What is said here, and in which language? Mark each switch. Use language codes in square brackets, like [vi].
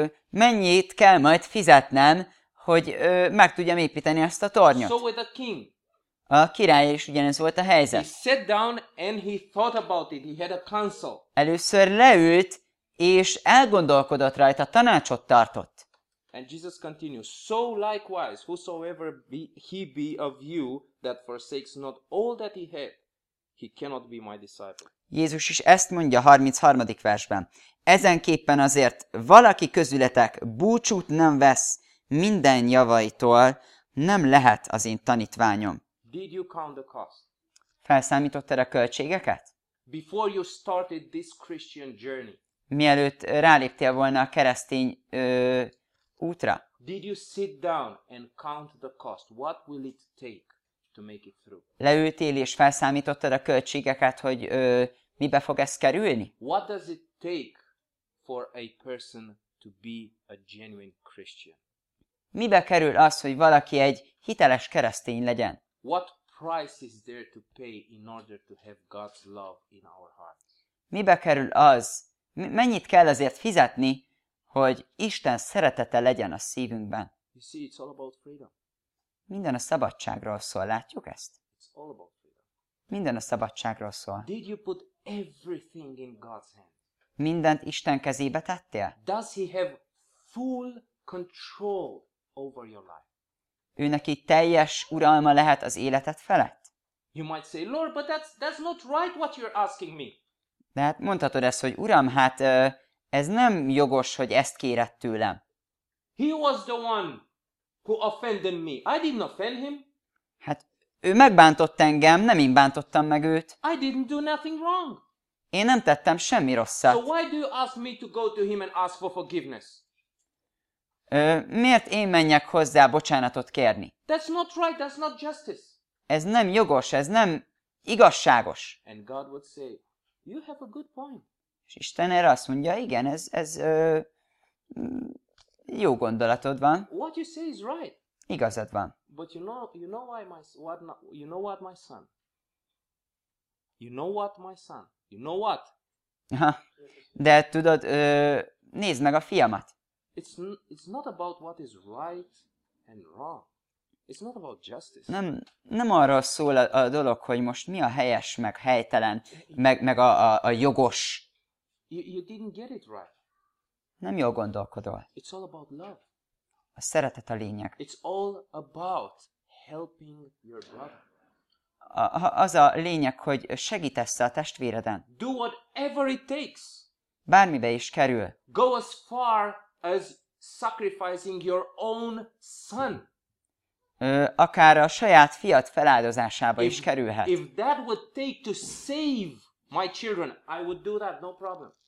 [hu] Mennyit kell majd fizetnem, hogy meg tudjam építeni ezt a tornyot. [en] So with the king. [hu] A király is ugyanez volt a helyzet. [en] He sat down and he thought about it. He had a council. [hu] Először leült és elgondolkodott rajta, tanácsot tartott. [en] And Jesus continues, so likewise, whosoever he be of you that forsakes not all that he had, he cannot be my disciple. [hu] Jézus is ezt mondja 33. versben. Ezenképpen azért valaki közületek búcsút nem vesz minden javaitól, nem lehet az én tanítványom. [en] Did you count the cost? [hu] Felszámítottad a költségeket? [en] Before you started this Christian journey. [hu] Mielőtt ráléptél volna a keresztény útra. [en] Did you sit down and count the cost? What will it take to make it through? [hu] Leültél és felszámítottad a költségeket, hogy mibe fog ez kerülni? [en] What does it take for a person to be a genuine Christian? [hu] Mibe kerül az, hogy valaki egy hiteles keresztény legyen? [en] What price is there to pay in order to have God's love in our hearts? [hu] Mibe kerül az? Mennyit kell ezért fizetni, hogy Isten szeretete legyen a szívünkben? [en] You see, it's all about freedom. [hu] Minden a szabadságról szól, látjuk ezt? [en] It's all about freedom. [hu] Minden a szabadságról szól. [en] Did you put everything in God's hand? [hu] Mindent Isten kezébe tettél? [en] Does he have full control over your life? [hu] Őneki teljes uralma lehet az életed felett? [en] You might say, Lord, but that's not right what you're asking me. [hu] De hát mondhatod ezt, hogy Uram, hát ez nem jogos, hogy ezt kéred tőlem. [en] He was the one who offended me. I didn't offend him. [hu] Hát ő megbántott engem, nem én bántottam meg őt. [en] I didn't do nothing wrong. [hu] Én nem tettem semmi rosszat. [en] So why do you ask me to go to him and ask for forgiveness? [hu] Miért én menjek hozzá bocsánatot kérni? [en] That's not right, that's not justice. [hu] Ez nem jogos, ez nem igazságos. [en] And God would say, you have a good point. [hu] És Isten erre azt mondja, igen, ez jó gondolatod van. [en] What you say is right. [hu] Igazad van. [en] But you know what my son? You know what my son? You know what? [hu] De tudod, nézd meg a fiamat. [en] It's not about what is right and wrong. It's not about justice. [hu] Nem arról szól a dolog, hogy most mi a helyes, meg helytelen, meg a jogos. [en] You didn't get it right. [hu] Nem jól gondolkodol. [en] It's all about love. [hu] A szeretet a lényeg. [en] It's all about helping your brother. [hu] Az a lényeg, hogy segítesz a testvéreden. [en] Do whatever it takes. [hu] Bármibe is kerül. [en] Go as far as sacrificing your own son. [hu] Akár a saját fiat feláldozásába is kerülhet. [en] If that would take to save my children, I would do that, no problem.